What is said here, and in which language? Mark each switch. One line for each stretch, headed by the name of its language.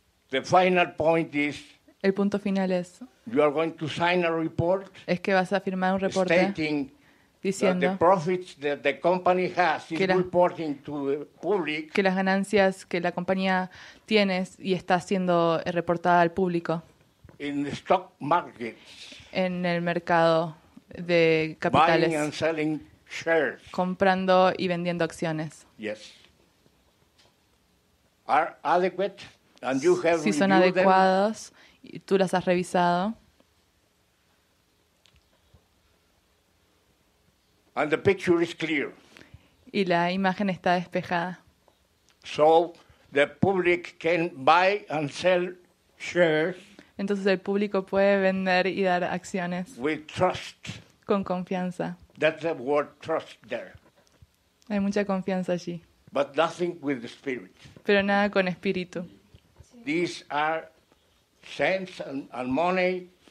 English: the final point is,
Spanish: el punto final es,
English: you are going to sign a report,
Spanish: es que vas a firmar un reporte
English: stating
Spanish: diciendo
English: that the profits that the company has is reporting to the public,
Spanish: que las ganancias que la compañía tiene y está siendo reportada al público
English: in the stock markets,
Spanish: en el mercado de capitales
English: buying and selling shares,
Spanish: comprando y vendiendo acciones.
English: Yes. Are adequate and you have
Spanish: si son adecuados
English: them?
Spanish: Y tú las has revisado.
English: And the picture is clear.
Spanish: Y la imagen está despejada.
English: So the public can buy and sell shares.
Spanish: Entonces el público puede vender y dar acciones.
English: We trust.
Spanish: Con confianza.
English: That's the word trust there.
Spanish: Hay mucha confianza allí.
English: But nothing with the spirit.
Spanish: Pero nada con espíritu.
English: These are sense and money.